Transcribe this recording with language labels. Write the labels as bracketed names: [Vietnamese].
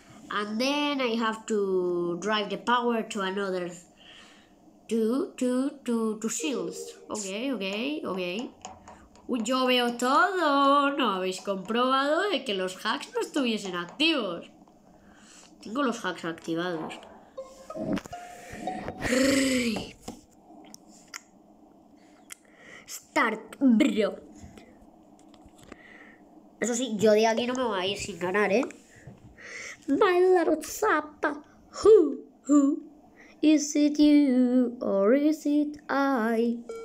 [English] And then I have to drive the power to another to shields. [Spanish] Okay. Yo veo todo. No habéis comprobado de que los hacks no estuviesen activos. Tengo los hacks activados. [English] Start, bro. [Spanish] Eso sí, yo de aquí no me voy a ir sin ganar, ¿eh? [English] My little zappa, who, is it you or is it I?